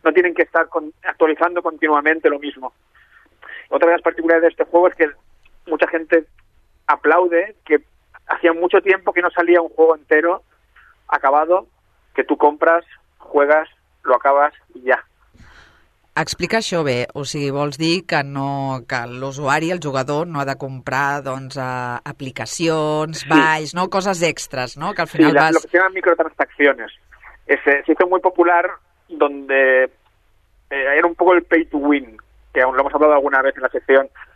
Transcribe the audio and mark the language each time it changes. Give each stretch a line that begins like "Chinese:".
Spanish: No tienen que estar actualizando continuamente lo mismo. Otra de las particularidades de este juego es que mucha gente aplaude que hacía mucho tiempo que no salía un juego entero, acabado, que tú compras, juegas, lo acabas y ya.
Catalan: Explica això bé, o sigui, vols dir que no, que l'usuari, el jugador, no ha de comprar, doncs, aplicacions, sí, baix, no, coses extres, no? Que al final
Spanish: sí, lo que se llama microtransacciones. Se hizo muy popular donde era un poco el pay to win, que aún lo hemos hablado alguna vez en la sección.